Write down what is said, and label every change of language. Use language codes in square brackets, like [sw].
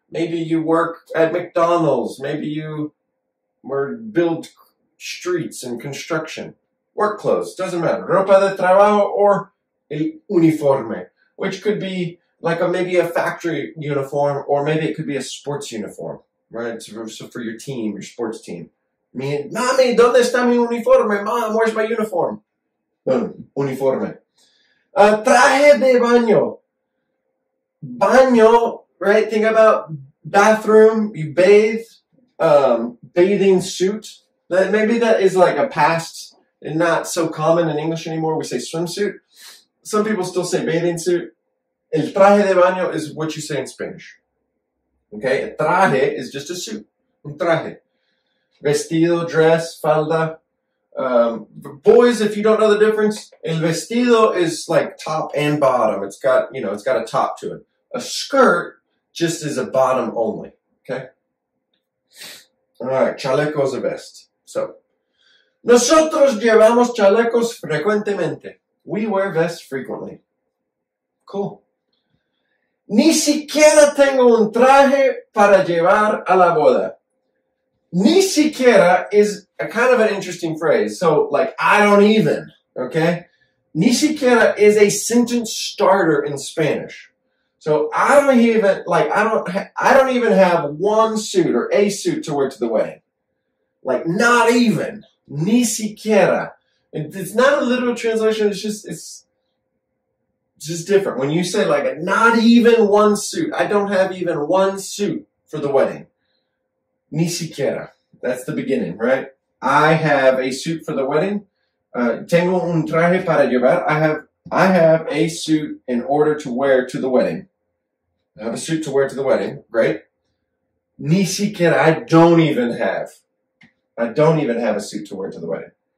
[en] Maybe you work at McDonald's. Maybe you build streets and construction. Work clothes, doesn't matter. [es] Ropa de trabajo [en] or [es] el uniforme, [en] which could be like maybe a factory uniform, or maybe it could be a sports uniform, right? So for your team, your sports team. [es] Mami, ¿dónde está mi uniforme? [en] Mom, where's my uniform? [es] Uniforme. Traje de baño. [en] Baño, right? Think about bathroom, you bathe, bathing suit. Maybe that is like a past and not so common in English anymore. We say swimsuit. Some people still say bathing suit. [es] El traje de baño [en] is what you say in Spanish. Okay? Traje is just a suit. [es] Un traje. Vestido, [en] dress, falda. Boys, if you don't know the difference, [es] el vestido [en] is like top and bottom. It's got, you know, it's got a top to it. A skirt just is a bottom only. Okay. All right. Chaleco is a vest. [es] So nosotros llevamos chalecos frecuentemente. [en] We wear vests frequently. Cool. [es] Ni siquiera tengo un traje para llevar a la boda. Ni siquiera [en] is a kind of an interesting phrase. So, like, I don't even, okay? [es] Ni siquiera [en] is a sentence starter in Spanish. So, I don't even have one suit or a suit to wear to the wedding. Like, not even. [es] Ni siquiera. [en] It's not a literal translation. It's just different. When you say, like, not even one suit. I don't have even one suit for the wedding. [es] Ni siquiera. [en] That's the beginning, right? I have a suit for the wedding. [es] Tengo un traje para llevar. [en] I have a suit in order to wear to the wedding. I have a suit to wear to the wedding, right? [es] Ni siquiera. [en] I don't even have a suit to wear to the wedding.